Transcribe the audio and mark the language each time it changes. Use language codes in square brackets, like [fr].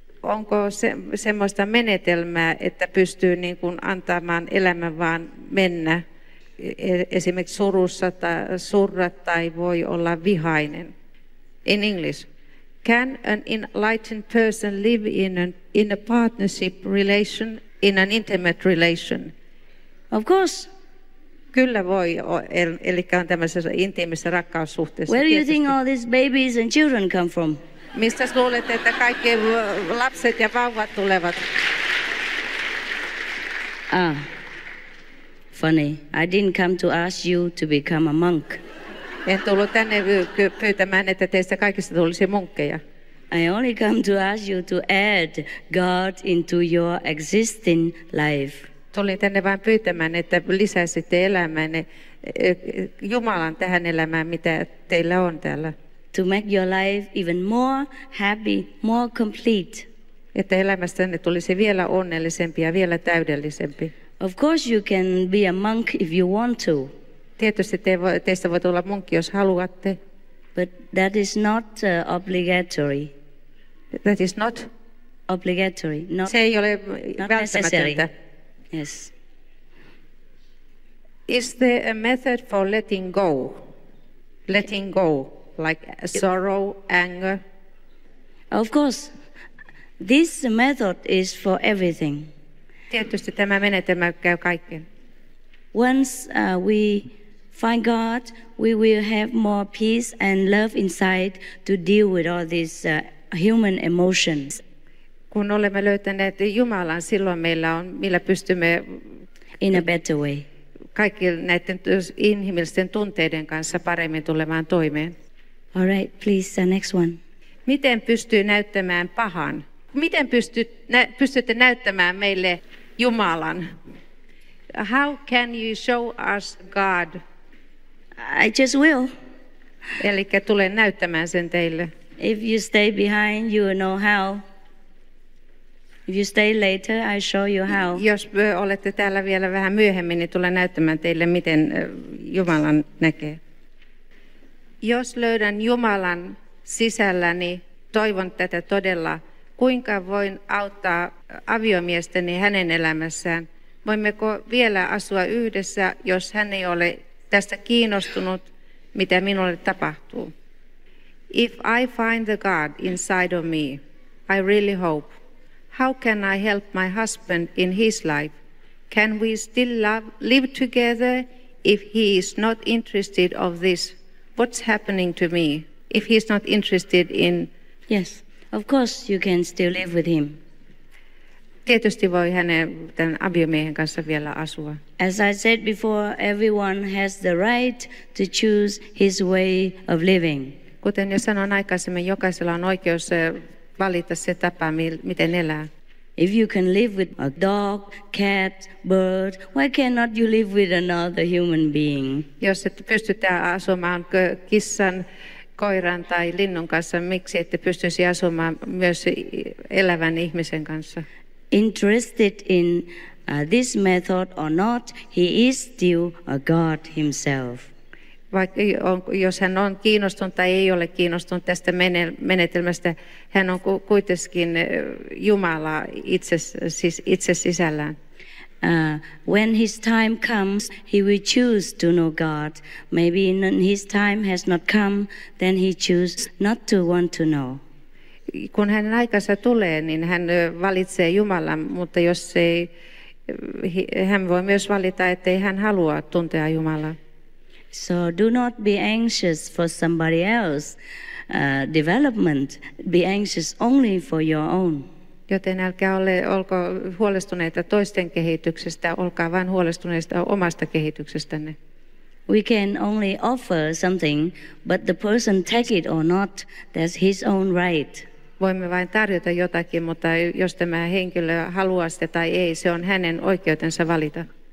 [fi] onko semmoista menetelmää, että pystyy niin kuin antamaan elämän vaan mennä, esimerkiksi surussa tai surra tai voi olla vihainen. [en] In English, can an enlightened person live in a partnership relation, in an intimate relation? Of course. [fi] Kyllä voi, eli on tämmöisessä intiimissä rakkaussuhteessa. [en] Where do you think all these babies and children come from? [fi] Mistä luulet, että kaikki lapset ja vauvat tulevat? [en] Ah, funny. I didn't come to ask you to become a monk. [fi] En tullut tänne pyytämään, että teistä kaikista tulisi munkkeja. [en] I only come to ask you to add God into your existing life. [fi] Tulin tänne vain pyytämään, että lisäisitte elämään Jumalan tähän elämään, mitä teillä on täällä. [en] To make your life even more happy, more complete. [fi] Että elämästänne tulisi vielä onnellisempi ja vielä täydellisempi. [en] Of course you can be a monk if you want to. [fi] Tietysti teistä voi tulla munkki, jos haluatte. [en] But that is not obligatory. That is not? Obligatory. Not, [fi] se ei ole [en] not [fi] välttämätöntä. [en] Necessary. Yes. Is there a method for letting go? Letting go, like sorrow, anger? Of course. This method is for everything. [fi] Tietysti tämä menetelmä käy kaikkeen. [en] Once we find God, we will have more peace and love inside to deal with all these human emotions. [fi] Kun olemme löytäneet Jumalan, silloin meillä on, millä pystymme [en] in a better way. [fi] Kaikki näiden inhimillisten tunteiden kanssa paremmin tulemaan toimeen. [en] All right, please, the next one. [fi] Miten pystyy näyttämään pahan? Miten pystytte näyttämään meille Jumalan? [en] How can you show us God? I just will. [fi] Elikkä tulen näyttämään sen teille. [en] If you stay behind, you know how. If you stay later, I show you how. [fi] Jos olette täällä vielä vähän myöhemmin, niin tulen näyttämään teille, miten Jumalan näkee. Jos löydän Jumalan sisälläni, toivon tätä todella, kuinka voin auttaa aviomiestäni hänen elämässään? Voimmeko vielä asua yhdessä, jos hän ei ole tästä kiinnostunut, mitä minulle tapahtuu? [en] If I find the God inside of me, I really hope. How can I help my husband in his life? Can we still live together if he is not interested of this? What's happening to me if he's not interested in... Yes, of course you can still live with him. [fi] Tietysti voi hänen tämän aviomiehen kanssa vielä asua. [en] As I said before, everyone has the right to choose his way of living. [fi] Kuten jo sanoin aikaisemmin, jokaisella on oikeus valita se tapa, miten elää. [en] If you can live with a dog, cat, bird, why cannot you live with another human being? [fi] Jos et pystytä asumaan kissan, koiran tai linnun kanssa, miksi ette pystyisi asumaan myös elävän ihmisen kanssa? [en] Interested in this method or not, he is still a God himself. [fi] Vaikka jos hän on kiinnostunut tai ei ole kiinnostunut tästä menetelmästä, hän on kuitenkin Jumala itse sisällään. [en] When his time comes, he will choose to know God. Maybe his time has not come, then he chooses not to want to know. [fi] Kun hänen aikansa tulee, niin hän valitsee Jumalan, mutta jos ei, hän voi myös valita, että ei hän halua tuntea Jumalaa. [en] So do not be anxious for somebody else's development. Be anxious only for your own. [fi] Joten älkää olko huolestuneita toisten kehityksestä, olkaa vain huolestuneista omasta kehityksestänne. [en] We can only offer something, but the person take it or not, that's his own right. [fi] Voimme vain tarjota jotakin, mutta jos tämä henkilö haluaa sitä tai ei, se on hänen oikeutensa valita.